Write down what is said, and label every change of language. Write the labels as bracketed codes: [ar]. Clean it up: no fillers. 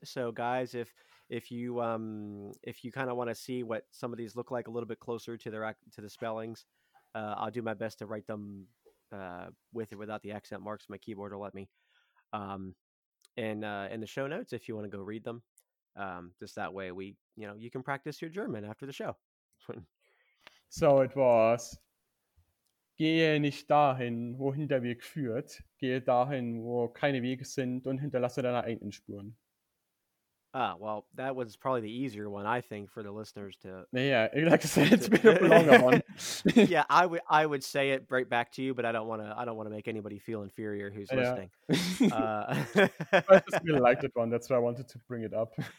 [en] So guys, if you kind of want to see what some of these look like a little bit closer to the spellings, I'll do my best to write them, with or without the accent marks. My keyboard will let me, in the show notes, if you want to go read them, just that way you can practice your German after the show. So it was, [de] gehe nicht dahin, wohin der Weg führt. Gehe dahin, wo keine Wege sind und hinterlasse deine eigenen Spuren. [en] Ah, well, that was probably the easier one, I think, for the listeners to... Yeah, like I said, it's a bit of a longer one. Yeah, I would say it right back to you, but I don't want to make anybody feel inferior who's listening. I just really liked that one. That's why I wanted to bring it up.